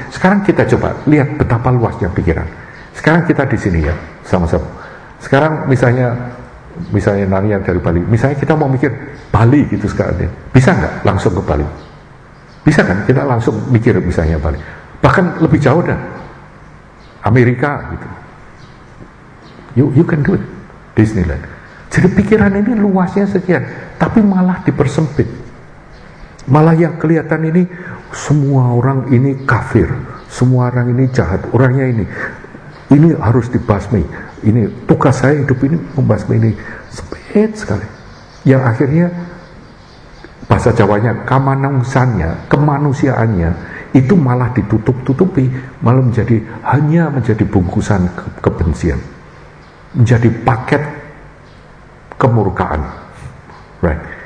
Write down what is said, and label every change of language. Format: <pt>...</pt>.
<id>Sekarang kita coba lihat betapa luasnya pikiran. Sekarang kita di sini ya, sama-sama. Sekarang misalnya nanti yang dari Bali, misalnya kita mau mikir Bali gitu sekarang ini, bisa nggak langsung ke Bali? Bisa kan kita langsung mikir misalnya Bali, bahkan lebih jauh dah, Amerika gitu.</id> <en>You can do it, Disneyland.</en> <id>Jadi pikiran ini luasnya sekian, tapi malah dipersempit. Malah yang kelihatan ini, semua orang ini kafir, semua orang ini jahat, orangnya ini harus dibasmi. Ini tugas saya hidup ini membasmi ini, sempit sekali. Yang akhirnya bahasa Jawanya kamanungsannya, kemanusiaannya itu malah ditutup-tutupi, malah menjadi hanya menjadi bungkusan kebencian, menjadi paket kemurkaan,</id> <en>right?</en>